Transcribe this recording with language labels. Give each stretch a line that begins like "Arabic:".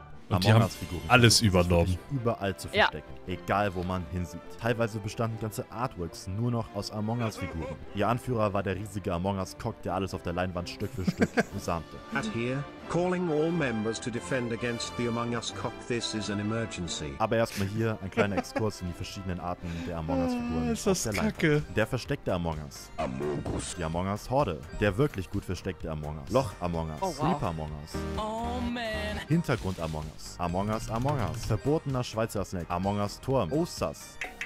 German: Und die haben alles übernommen. Überall zu verstecken, ja. Egal wo man hinsieht. Teilweise bestanden ganze Artworks nur noch aus Among Us-Figuren. Ihr Anführer war der riesige Among Us-Cock, der alles auf der Leinwand Stück für Stück besamte.
English: At here, calling all members to defend against the Among Us-Cock, this is an emergency.
German: Aber erstmal hier ein kleiner Exkurs in die verschiedenen Arten der Among Us-Figuren. Ist das der kacke. Der versteckte Among Us. Among Us. Die Among Us-Horde. Der wirklich gut versteckte Among Us. Loch Among Us. Oh, wow. Creeper Among Us. Oh man. Hintergrund Among Us. Among Us, Among Us. Verbotener Schweizer Snack. Among Us Turm. Osas.